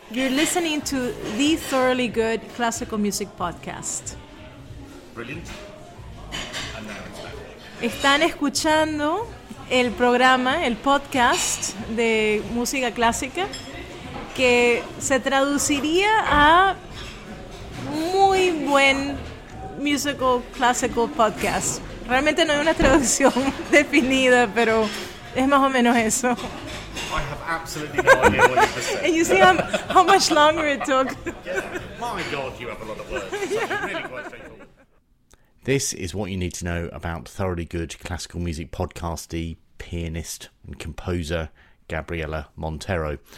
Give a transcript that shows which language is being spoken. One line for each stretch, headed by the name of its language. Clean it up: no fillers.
English: You're listening to the Thoroughly Good Classical Music Podcast. Brilliant. And now it's back.
Spanish: Están escuchando el programa, el podcast de música clásica, que se traduciría a muy buen
English: musical classical podcast.
Spanish: Realmente no hay una traducción definida, pero es más o menos eso.
English: I have absolutely no idea what you're saying. And you see how much longer it took. Yeah. My God, you have a lot of words. Yeah. Really, this is what you need to know about Thoroughly Good Classical Music Podcastee, pianist and composer Gabriella Montero.